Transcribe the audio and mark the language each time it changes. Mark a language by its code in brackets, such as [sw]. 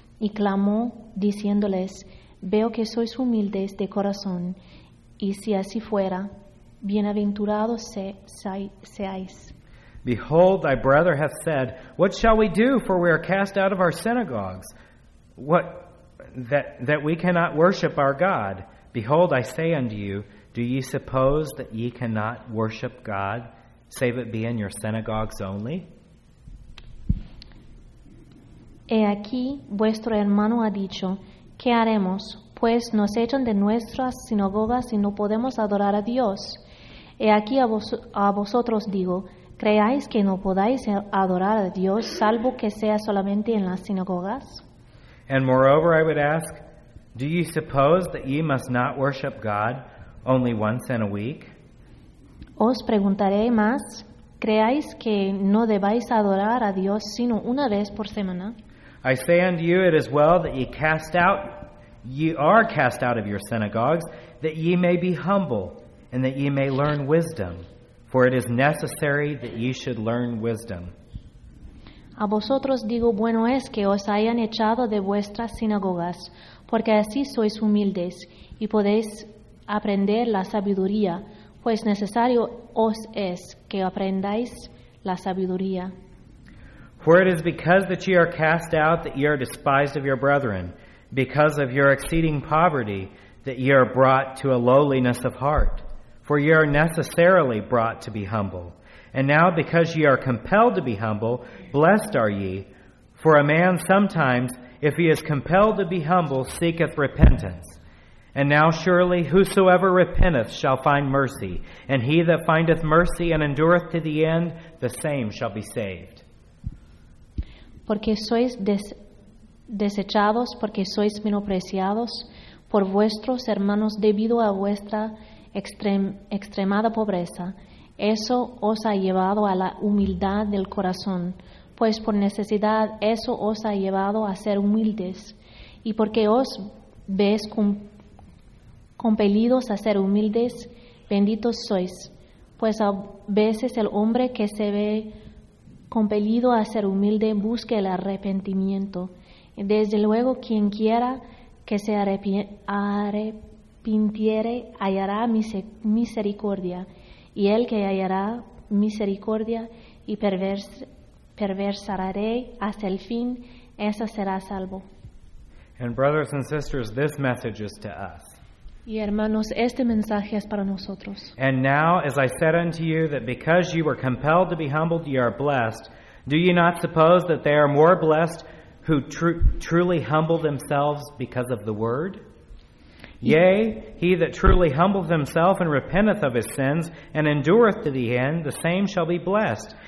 [es] Y clamó, diciéndoles, Veo que sois humildes de corazón, y si así fuera, bienaventurados seáis. [en] Behold, thy brother hath said, What shall we do? For we are cast out of our synagogues. What that we cannot worship our God. Behold, I say unto you, do ye suppose that ye cannot worship God, save it be in your synagogues only? [es] He aquí, vuestro hermano ha dicho, ¿qué haremos? Pues nos echan de nuestras sinagogas y no podemos adorar a Dios. He aquí a vosotros digo, ¿creáis que no podáis adorar a Dios, salvo que sea solamente en las sinagogas? [en] And moreover, I would ask, do ye suppose that ye must not worship God only once in a week? [es] Os preguntaré más, ¿creáis que no debáis adorar a Dios sino una vez por semana? [en] I say unto you, it is well that ye are cast out of your synagogues, that ye may be humble, and that ye may learn wisdom. For it is necessary that ye should learn wisdom. [es] A vosotros digo, bueno es que os hayan echado de vuestras sinagogas, porque así sois humildes, y podéis aprender la sabiduría, pues necesario os es que aprendáis la sabiduría. [en] For it is because that ye are cast out that ye are despised of your brethren, because of your exceeding poverty that ye are brought to a lowliness of heart. For ye are necessarily brought to be humble. And now because ye are compelled to be humble, blessed are ye. For a man sometimes, if he is compelled to be humble, seeketh repentance. And now surely whosoever repenteth shall find mercy. And he that findeth mercy and endureth to the end, the same shall be saved. [es] Porque sois desechados, porque sois menospreciados por vuestros hermanos debido a vuestra extremada pobreza. Eso os ha llevado a la humildad del corazón, pues por necesidad eso os ha llevado a ser humildes. Y porque os ves compelidos a ser humildes, benditos sois, pues a veces el hombre que se ve compelido a ser humilde, busque el arrepentimiento. Desde luego, quien quiera que se arrepintiere, hallará misericordia. Y el que hallará misericordia y perversaré hasta el fin, ese será salvo. [en] And brothers and sisters, this message is to us. [es] Y hermanos, este mensaje es para nosotros. [en] And now, as I said unto you, that because you were compelled to be humbled, ye are blessed. Do ye not suppose that they are more blessed who truly humble themselves because of the word? Yea, he that truly humbles himself and repenteth of his sins and endureth to the end, the same shall be blessed.